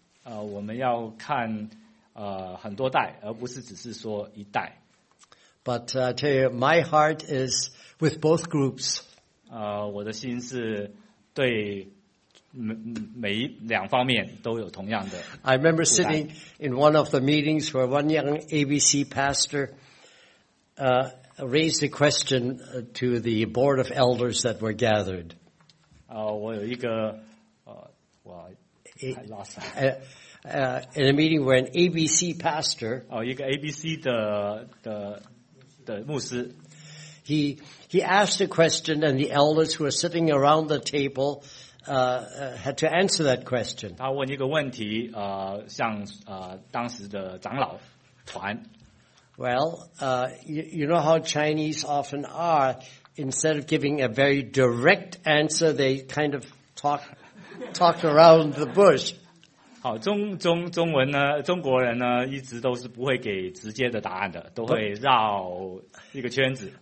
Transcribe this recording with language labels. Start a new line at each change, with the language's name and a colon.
Chinese: 我们要看很多代，而不是只是说一代。
English: But I tell you, my heart is with both groups.
Chinese: 我的心是对每两方面都有同样的。
English: I remember sitting in one of the meetings where one young ABC pastor raised a question to the board of elders that were gathered.
Chinese: 我有一个
English: In a meeting where an ABC pastor,
Chinese: 一个 ABC 的牧师
English: he asked a question, and the elders who were sitting around the table had to answer that question.
Chinese: 他问一个问题，向当时的长老团。
English: Well, you know how Chinese often are. Instead of giving a very direct answer, they kind of talk around the bush.
Chinese: 好，中文呢，中国人呢，一直都是不会给直接的答案的，都会绕一个圈子。